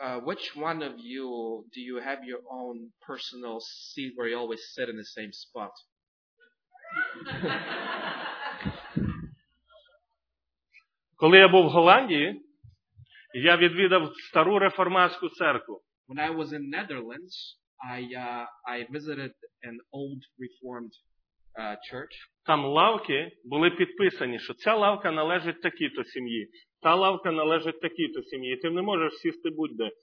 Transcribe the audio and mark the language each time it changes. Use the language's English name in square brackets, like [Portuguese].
[English] Which one of you do you have your own personal seat where you always sit in the same spot? [Ukrainian] Коли я був в Голландії, я відвідав стару реформатську церкву. [English] When I was in Netherlands, I visited an old reformed church. [Ukrainian] Там лавки були підписані, що ця лавка належить такій-то сім'ї, та лавка належить такій-то сім'ї. Ти не можеш сісти будь-де.